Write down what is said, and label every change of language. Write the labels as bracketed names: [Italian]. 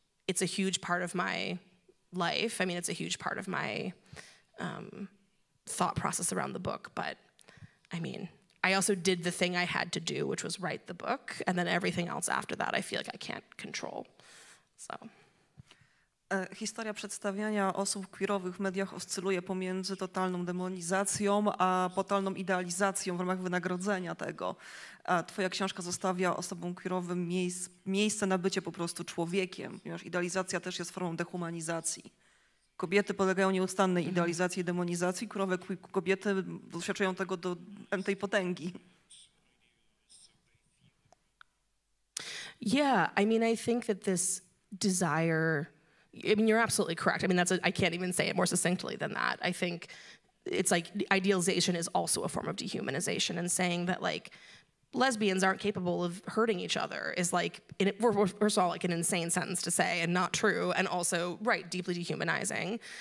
[English] It's a huge part of my life. I mean, it's a huge part of my thought process around the book, but I mean, I also did the thing I had to do, which was write the book, and then everything else after that, I feel like I can't control. So. [Polish] Historia przedstawiania osób queerowych w mediach oscyluje pomiędzy totalną demonizacją a totalną idealizacją w ramach wynagrodzenia tego. Twoja książka zostawia osobom queerowym miejsce na bycie po prostu człowiekiem, ponieważ idealizacja też jest formą dehumanizacji. Kobiety podlegają nieustannej idealizacji i demonizacji, queerowe kobiety doświadczają tego do entej potęgi. [English] Yeah, I mean, I think that this desire... I mean, you're absolutely correct. I mean, I can't even say it more succinctly than that. I think it's like idealization is also a form of dehumanization, and saying that like lesbians aren't capable of hurting each other is like, first of all, like an insane sentence to say and not true, and also, right, deeply dehumanizing.